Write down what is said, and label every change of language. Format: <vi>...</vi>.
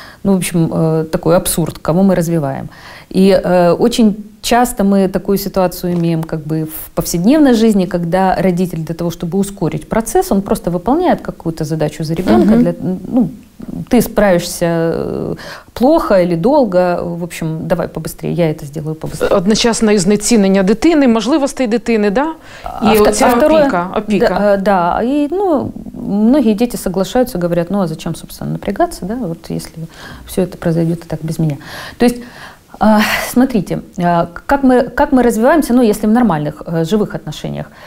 <ru>Ну, в общем, такой абсурд, кого мы развиваем. И очень часто мы такую ситуацию имеем как бы в повседневной жизни, когда родитель для того, чтобы ускорить процесс, он просто выполняет какую-то задачу за ребенка. Угу. Ну, ты справишься плохо или долго, в общем, давай побыстрее, я это сделаю побыстрее.</ru> <uk>Одночасно изнецінення дитини, можливостей дитини,</uk> <ru>да?</ru> <uk>И оця опіка.</uk> <ru>Да, и, ну, многие дети соглашаются, говорят, ну, а зачем, собственно, напрягаться, да, вот если все это произойдет и так без меня. То есть, смотрите, как мы развиваемся, ну, если в нормальных, живых отношениях.</ru>